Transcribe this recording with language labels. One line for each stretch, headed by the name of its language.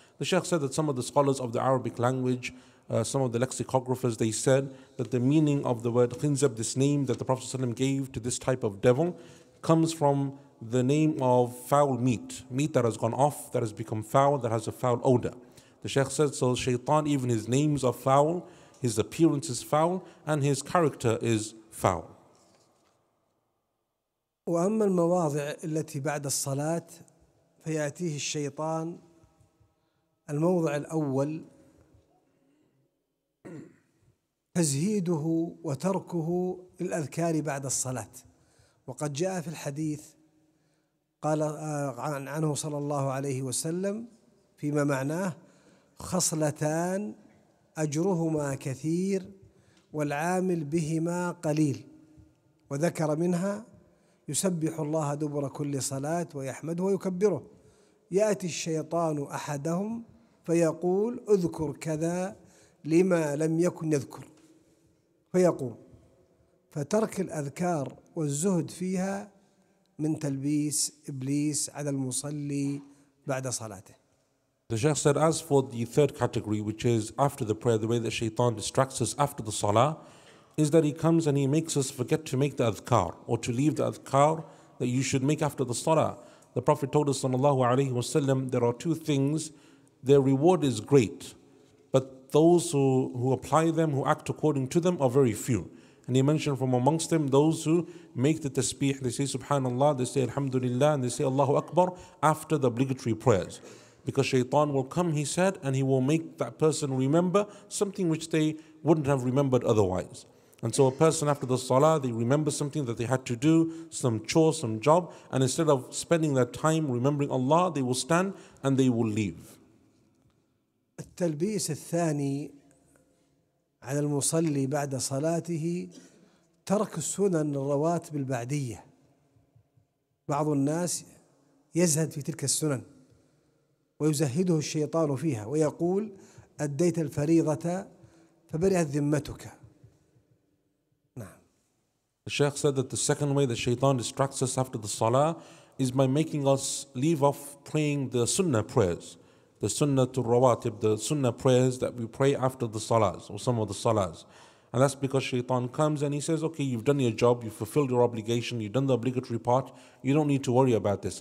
English: The Shaykh said that some of the scholars of the Arabic language, some of the lexicographers, they said that the meaning of the word Khinzab, this name that the Prophet ﷺ gave to this type of devil, comes from the name of foul meat, meat that has gone off, that has become foul, that has a foul odor. The Shaykh said, so Shaitan, even his names are foul, his appearance is foul, and his character is foul.
Arabic: وأما المواضع التي بعد الصلاة فيأتيه الشيطان الموضع الأول تزهيده وتركه للأذكار بعد الصلاة. وقد جاء في الحديث قال عنه صلى الله عليه وسلم فيما معناه خصلتان أجرهما كثير والعامل بهما قليل، وذكر منها يسبح الله دبر كل صلاة ويحمده ويكبره، يأتي الشيطان أحدهم فيقول اذكر كذا لما لم يكن يذكر فيقوم. فترك الأذكار والزهد فيها من تلبيس إبليس على المصلي بعد صلاته.
English: The Shaykh said, as for the third category, which is after the prayer, the way that Shaitan distracts us after the salah, is that he comes and he makes us forget to make the adhkar or to leave the adhkar that you should make after the salah. The Prophet told us
Arabic: sallallahu alayhi wa sallam,
English: there are two things, their reward is great, but those who apply them, who act according to them, are very few. And he mentioned from amongst them those who make the tasbih. They say subhanallah, they say alhamdulillah, and they say Allahu Akbar after the obligatory prayers. Because shaitan will come, he said, and he will make that person remember something which they wouldn't have remembered otherwise. And so a person after the salah, they remember something that they had to do, some chore, some job, and instead of spending that time remembering Allah, they will stand and they will leave.
Arabic: التلبيس الثاني على المصلي بعد صلاته ترك السنن الرواتب البعدية. بعض الناس يزهد في تلك السنن ويزهده الشيطان فيها ويقول أديت الفريضة فبرئت ذمتك.
English: The Shaykh said that the second way that shaitan distracts us after the salah is by making us leave off praying the sunnah prayers, the sunnah to rawatib, the sunnah prayers that we pray after the salahs or some of the salahs. And that's because shaitan comes and he says, okay, you've done your job, you've fulfilled your obligation, you've done the obligatory part, you don't need to worry about this.